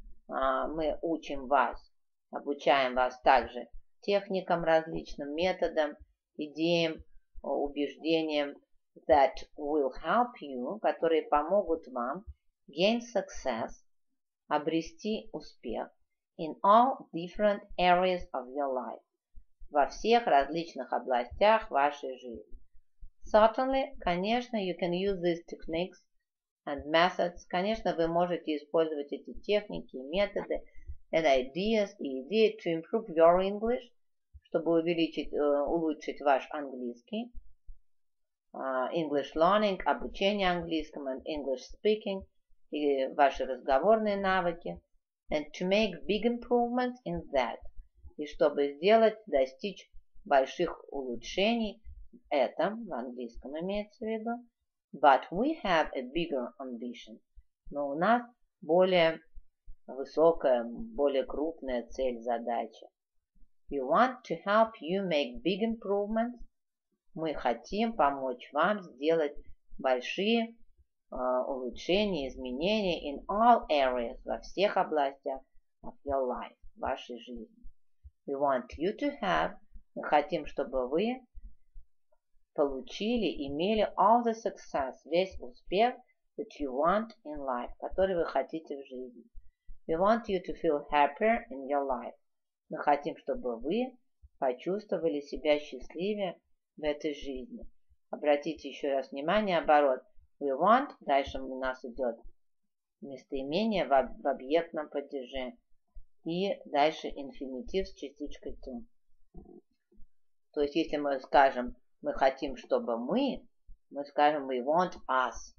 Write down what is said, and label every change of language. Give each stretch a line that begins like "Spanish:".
Russian: Мы учим вас, обучаем вас также техникам различным, методам, идеям, убеждениям
English: that will help you,
Russian: которые помогут вам
English: gain success,
Russian: обрести успех
English: in all different areas of your life.
Russian: Во всех различных областях вашей жизни.
English: Certainly,
Russian: конечно,
English: you can use these techniques and methods.
Russian: Конечно, вы можете использовать эти техники и методы
English: and ideas
Russian: и идеи
English: to improve your English,
Russian: чтобы улучшить ваш английский.
English: English learning,
Russian: обучение английскому
English: and English speaking
Russian: и ваши разговорные навыки.
English: And to make big improvements in that.
Russian: И чтобы сделать, достичь больших улучшений в этом, в английском имеется в виду.
English: But we have a bigger ambition.
Russian: Но у нас более высокая, более крупная цель, задача.
English: We want to help you make big improvements.
Russian: Мы хотим помочь вам сделать большие улучшения, изменения
English: in all areas,
Russian: во всех областях
English: of your life,
Russian: вашей жизни.
English: We want you to have,
Russian: мы хотим, чтобы вы получили, имели
English: all the success,
Russian: весь успех
English: that you want in life,
Russian: который вы хотите в жизни.
English: We want you to feel happier in your life.
Russian: Мы хотим, чтобы вы почувствовали себя счастливее в этой жизни. Обратите еще раз внимание, оборот.
English: We want,
Russian: дальше у нас идет местоимение в объектном падеже. И дальше инфинитив с частичкой to. То есть, если мы скажем, мы хотим, чтобы мы скажем,
English: we want us.